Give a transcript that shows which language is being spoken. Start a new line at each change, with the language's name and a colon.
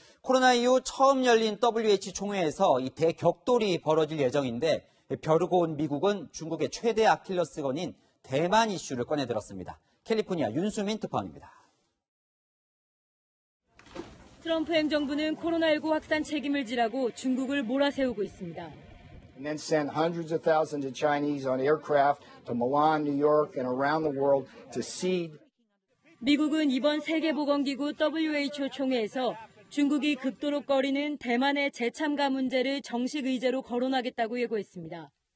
Korean: 코로나 이후 처음 열린 WHO 총회에서 대격돌이 벌어질 예정인데 벼르고 온 미국은 중국의 최대 아킬레스건인 대만 이슈를 꺼내들었습니다. 캘리포니아 윤수민 특파원입니다. 트럼프 행정부는 코로나19 확산 책임을 지라고 중국을 몰아세우고 있습니다.
English: And then sent hundreds of thousands of Chinese on aircraft to Milan, New York, and around the world to seed.
Korean: 미국은 이번 세계보건기구 WHO 총회에서 중국이 극도로 꺼리는 대만의 재참가 문제를 정식 의제로 거론하겠다고 예고했습니다.